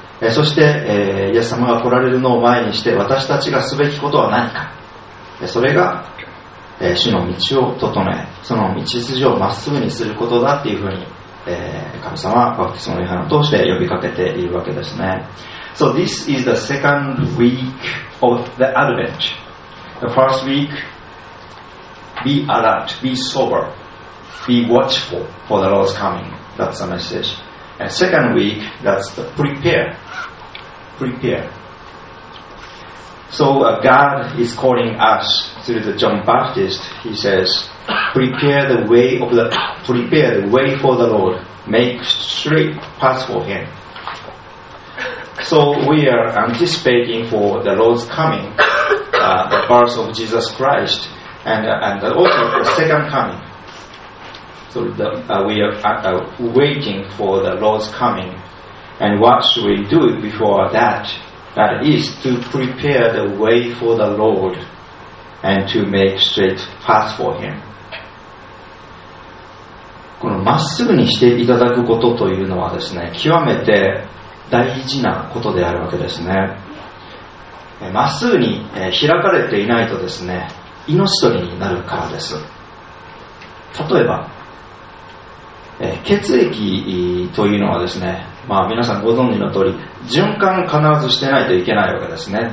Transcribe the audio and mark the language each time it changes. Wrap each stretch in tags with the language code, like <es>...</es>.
<ja>そして、イエス様が来られるのを前にして私たちがすべきことは何か、それが主の道を整え、その道筋をまっすぐにすることだっていうふうに、神様はバプテスマのヨハネを通して呼びかけているわけですね。</ja> <en>So this is the second week of the Advent. The first week, be alert, be sober, be watchful for the Lord's coming. That's the message. And second week, that's the prepare. So God is calling us through the John Baptist. He says, prepare the way of the, prepare the way for the Lord. Make straight paths for Him. So we are anticipating for the Lord's coming, the birth of Jesus Christ, and also the second coming. So the, we are waiting for the Lord's coming. And what should we do before that? That is to prepare the way for the Lord and to make straight paths for Him.</en> <ja>このまっすぐにしていただくことというのはですね、極めて大事なことであるわけですね。まっすぐに開かれていないとですね、命取りになるからです。例えば血液というのはですね、まあ、皆さんご存知の通り循環必ずしてないといけないわけですね。</ja>